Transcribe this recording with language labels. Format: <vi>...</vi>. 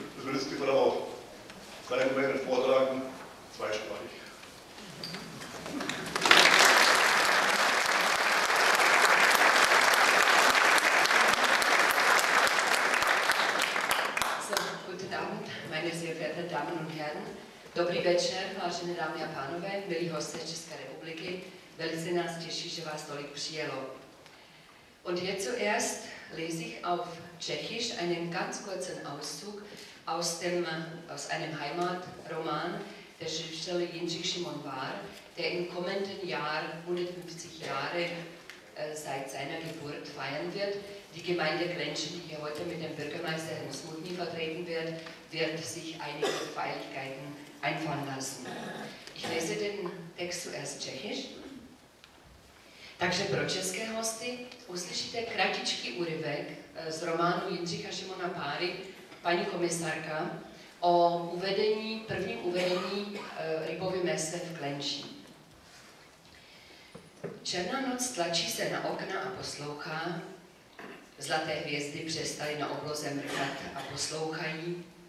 <de>Das wird jetzt die Frau auch sein und werden vortragen, zweisprachig. So, guten Abend, meine sehr verehrten Damen und Herren.</de> <cs>Dobrý večer, vážené dámy a pánové, milí hosté České republiky, velice nás těší, že vás tolik přijelo.</cs> <de>Und hier zuerst lese ich auf Tschechisch einen ganz kurzen Auszug aus einem Heimatroman der Schriftsteller Jindřich Šimon Vár, der im kommenden Jahr 150 Jahre seit seiner Geburt feiern wird. Die Gemeinde Grenzsche, die hier heute mit dem Bürgermeister Herrn Smutny vertreten wird, wird sich einige Feierlichkeiten einfallen lassen. Ich lese den Text zuerst tschechisch.</de> <cs>Takže pro české hosty uslyšíte kratičký úryvek z románu Jindřicha Šimona Páry, paní komisárka, o uvedení, prvním uvedení Rybovy mese v Klenčí. Černá noc tlačí se na okna a poslouchá. Zlaté hvězdy přestaly na obloze mrkat a poslouchají.</cs>